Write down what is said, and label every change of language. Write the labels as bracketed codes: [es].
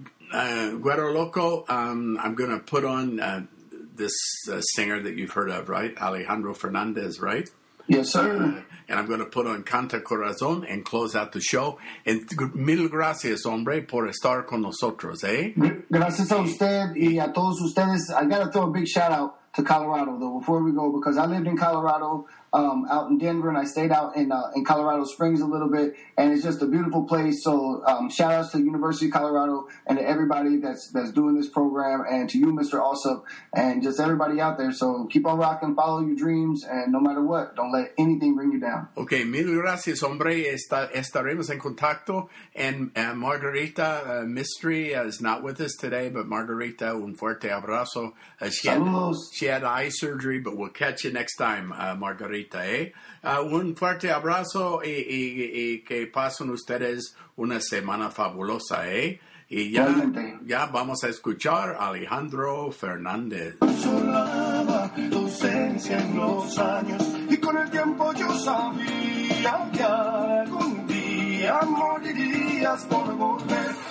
[en] Guero Loco, I'm going to put on this singer that you've heard of, right? Alejandro Fernandez, right? Yes, sir. And I'm going to put on Canta Corazón and close out the show. [es] And mil gracias, hombre, por estar con nosotros, eh? Gracias a usted y a todos ustedes. [en] I got to throw a big shout out to Colorado, though, before we go, because I lived in Colorado, out in Denver, and I stayed out in Colorado Springs a little bit, and it's just a beautiful place. So shout outs to the University of Colorado and to everybody that's doing this program, and to you, Mr. Alsop, and just everybody out there. So keep on rocking, follow your dreams, and no matter what, don't let anything bring you down. [es] Okay, mil gracias, hombre. Estaremos en contacto. [en] And Margarita Mystery is not with us today, but Margarita, [es] un fuerte abrazo. Saludos. [en] She had eye surgery, but we'll catch you next time, Margarita. [es] Ahorita, un fuerte abrazo y que pasen ustedes una semana fabulosa, ¿eh? Y ya vamos a escuchar Alejandro Fernández. Sonaba tu ausencia en los años, y con el tiempo yo sabía que algún día morirías por volver.